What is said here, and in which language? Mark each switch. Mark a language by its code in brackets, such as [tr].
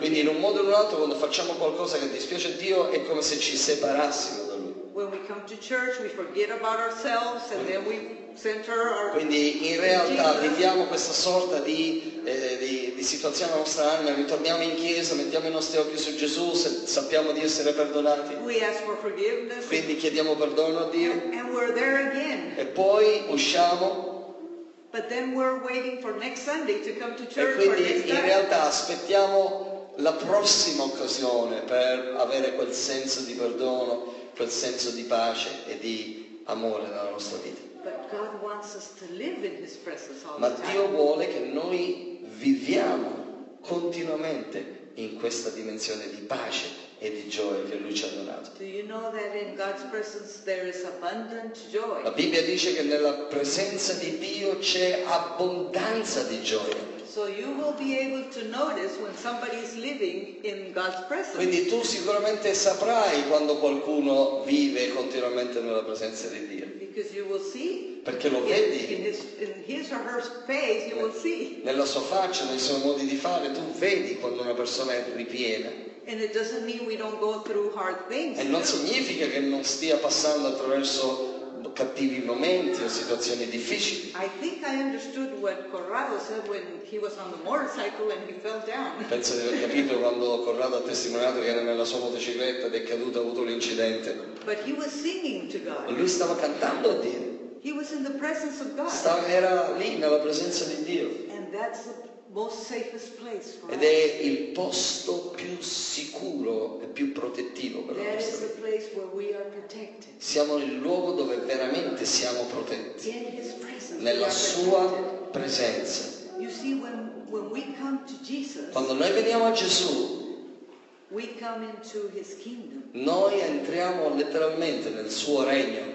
[it] Quindi in un modo o in un altro quando facciamo qualcosa che dispiace a Dio è come se ci separassimo da Lui. [en] When we come to church, we forget about ourselves and then we center our [it] Quindi in realtà viviamo questa sorta di situazione della nostra anima, ritorniamo in chiesa, mettiamo i nostri occhi su Gesù, se sappiamo di essere perdonati. [en] We ask for forgiveness. [it] Quindi chiediamo perdono a Dio. [en] And we're there again. [it] E poi usciamo. [en] But then we're waiting for next Sunday to come to church. [it] E quindi in realtà aspettiamo la prossima occasione per avere quel senso di perdono, quel senso di pace e di amore nella nostra vita. [en] But God wants us to live in his presence all the time. [it] Ma Dio vuole che noi viviamo continuamente in questa dimensione di pace e di gioia che Lui ci ha donato. [en] Do you know that in God's presence there is abundant joy? [it] La Bibbia dice che nella presenza di Dio c'è abbondanza di gioia. [en] So you will be able to notice when somebody is living in God's presence. [it] Quindi tu sicuramente saprai quando qualcuno vive continuamente nella presenza di Dio. [en] Because you will see. [it] Perché lo vedi. [en] In his or her face you will see. [it] Nella sua faccia, nei suoi modi di fare, tu vedi quando una persona è ripiena. [en] And it doesn't mean we don't go through hard things. [it] E non significa che non stia passando attraverso cattivi momenti o situazioni difficili. [en] I think I understood what Corrado said when he was on the motorcycle and he fell down. [it] Penso di aver capito quando Corrado ha testimoniato che era nella sua motocicletta ed è caduto, ha avuto un incidente. [en] But he was singing to God. [it] Lui stava cantando a Dio. [en] He was in the presence of God. [it] Era lì nella presenza di Dio. [en] And that's the most safest place for [it] Ed è il posto più sicuro e più protettivo per [en] That [it] la nostra [en] is the place where we are protected. [it] Siamo nel luogo dove veramente siamo protetti. [en] In his presence [it] nella [en] we are [it] sua [en] protected. [it] Presenza. [en] You see, when we come to Jesus, [it] quando noi veniamo a Gesù, [en] we come into his kingdom. [it] Noi entriamo letteralmente nel suo regno.